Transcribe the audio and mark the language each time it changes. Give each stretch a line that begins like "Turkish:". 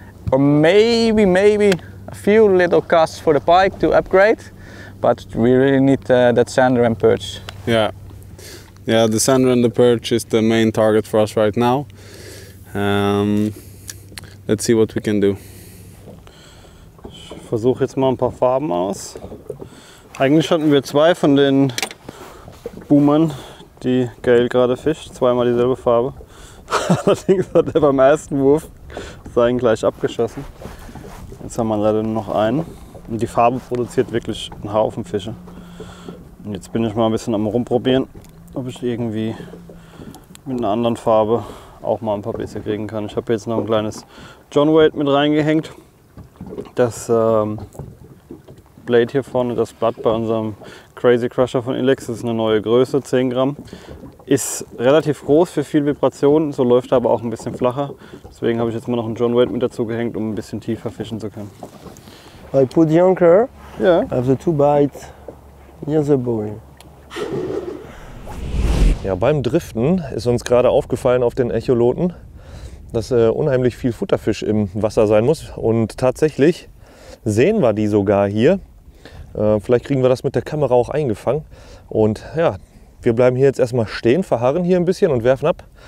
English: Or maybe a few little casts for the pike to upgrade, but we really need that sander and perch. Yeah, the sander and the perch is the main target for us right now. Let's see what we can do.
German: Ich versuche jetzt mal ein paar Farben aus. Eigentlich hatten wir zwei von den Boomern, die Gail gerade fischt, zweimal dieselbe Farbe. Allerdings hat er beim ersten Wurf seinen gleich abgeschossen. Jetzt haben wir leider nur noch einen. Und die Farbe produziert wirklich einen Haufen Fische. Und jetzt bin ich mal ein bisschen am Rumprobieren, ob ich irgendwie mit einer anderen Farbe auch mal ein paar Bisse kriegen kann. Ich habe jetzt noch ein kleines John Wade mit reingehängt. Das Blade hier vorne, das Blatt bei unserem Crazy Crusher von Ilex, das ist eine neue Größe, 10 Gramm. Ist relativ groß für viel Vibration, so läuft er aber auch ein bisschen flacher. Deswegen habe ich jetzt mal noch einen John Wade mit dazu gehängt, um ein bisschen tiefer fischen zu können.
English: I put the anchor, yeah. I have the two bites near the buoy.
German: Ja, beim Driften ist uns gerade aufgefallen auf den Echoloten, dass unheimlich viel Futterfisch im Wasser sein muss. Und tatsächlich sehen wir die sogar hier. Vielleicht kriegen wir das mit der Kamera auch eingefangen. Und ja, wir bleiben hier jetzt erstmal stehen, verharren hier ein bisschen und werfen ab.